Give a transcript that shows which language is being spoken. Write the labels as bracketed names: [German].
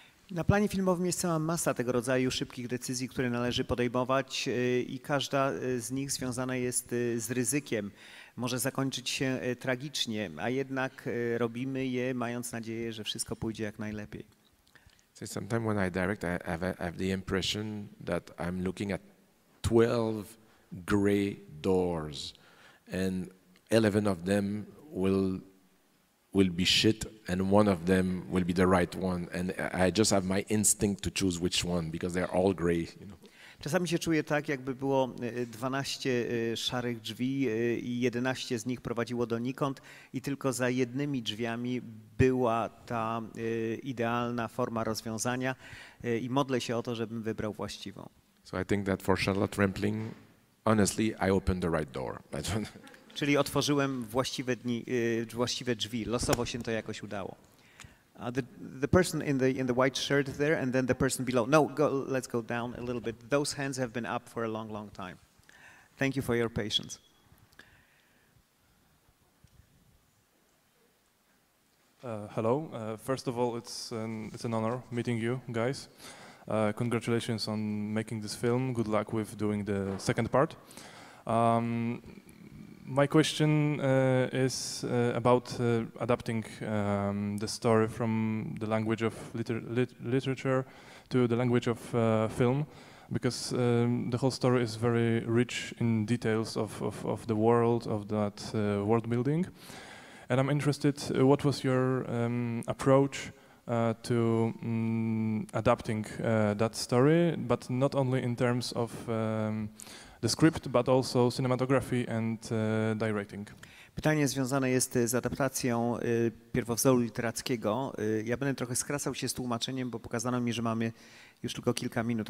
[Polish] na planie filmowym jest cała masa tego rodzaju szybkich decyzji, które należy podejmować i każda z nich związana jest z ryzykiem. Może zakończyć się tragicznie, a jednak robimy je, mając nadzieję, że wszystko pójdzie jak najlepiej. [English] So sometimes when I direct, I have the impression that I'm looking at 12 gray doors and 11 of them will be shit and one of them will be the right one, and I just have my instinct to choose which one because they're all gray, you know. [Polish] Czasami się czuję tak, jakby było 12 szarych drzwi i 11 z nich prowadziło donikąd i tylko za jednymi drzwiami była ta idealna forma rozwiązania i modlę się o to, żebym wybrał właściwą. [English] So I think that for Charlotte Rampling, honestly, I opened the right door. [Polish] Czyli otworzyłem właściwe drzwi, losowo się to jakoś udało. [English] The person in the white shirt there, and then the person below. No, let's go down a little bit. Those hands have been up for a long, long time. Thank you for your patience. Hello. First of all, it's an honor meeting you guys. Congratulations on making this film. Good luck with doing the second part. My question is about adapting the story from the language of literature to the language of film, because the whole story is very rich in details of the world, of that world building. And I'm interested, what was your approach to adapting that story, but not only in terms of the script, but also cinematography and directing. [Polish] Pytanie związane jest z adaptacją pierwowzoru literackiego. Ja będę trochę skracał się z tłumaczeniem, bo pokazano mi, że mamy już tylko kilka minut.